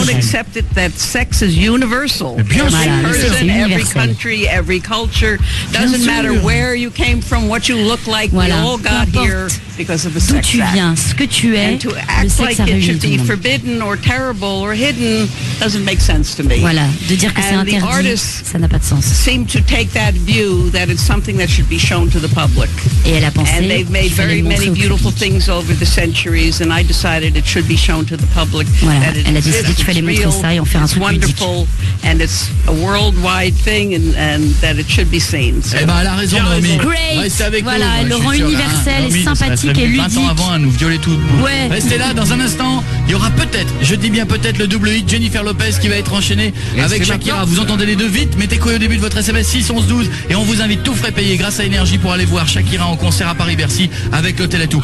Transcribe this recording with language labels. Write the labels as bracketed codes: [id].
[en] They don't accept it that sex is universal. [fr] Bien sûr. [en] Every person, every country, every culture. Doesn't matter where you came from, what you look like. [fr] Voilà. [en] We all got here because of the sex act. [fr] D'où tu viens, ce que tu es. [en] And to act like it should be forbidden or terrible or hidden doesn't make sense. [fr] Voilà, de dire que c'est interdit, ça n'a pas de sens. [en] Seem to take that view that it's something that should be shown to the public. [fr] Et elle a pensé. [en] And they've made very many beautiful things over the centuries, and I decided it should be shown to the public. [fr] Voilà, elle a décidé qu'il fallait montrer ça et en faire un truc [en] wonderful, and it's a worldwide thing, and that it should be seen. [fr] Eh ben, elle a raison, Romy. [en] Great. [fr] Voilà, elle le rend universel et sympathique et ludique. 20 ans avant, elle nous violait tout. Ouais. Restez là, dans un instant, il y aura peut-être, je dis bien peut-être, le double hit Jennifer Lopez qui va être enchaîné avec Shakira. Vous entendez les deux vite, mettez quoi au début de votre SMS 6-11-12 et on vous invite tout frais payé grâce à Énergie pour aller voir Shakira en concert à Paris-Bercy avec l'hôtel et tout.